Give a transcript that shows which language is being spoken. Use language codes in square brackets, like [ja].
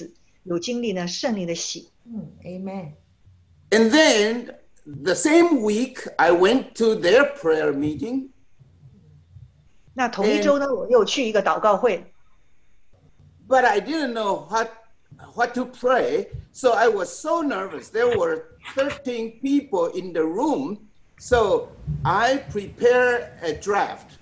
[zh] 我第一次接受主的时候呢，我就呢哭的不成。虽然呢没有说方言，但是我相信那次有经历呢圣灵的喜。 [en] Amen. And then the same week, I went to their prayer meeting. [zh] 那同一周呢，我又去一个祷告会。 [en] But I didn't know what to pray, so I was so nervous. There were 13 people in the room, so I prepared a draft.